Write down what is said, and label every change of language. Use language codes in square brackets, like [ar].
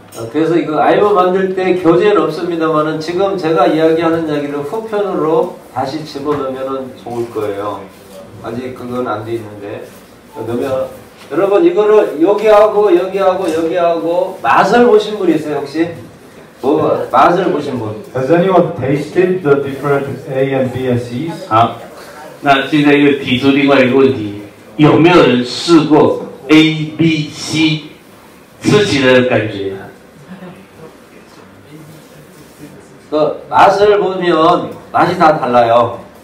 [ko] 그래서 이거 알고 만들 때 교재는 없습니다만은 지금 제가 이야기하는 이야기를 후편으로 다시 집어넣으면 좋을 거예요. 아직 그건 안 돼 있는데 넣으면. 여러분 이거를 여기하고 여기하고 여기하고 맛을 보신 분 있어요 혹시? 뭐 맛을 보신 분? [en] Has anyone tasted the different A and B and C's? [zh] 好，那现在又提出另外一个问题，有没有人试过 A B C 吃起来的感觉？ [ko] 그 맛을 보면 맛이 다 달라요.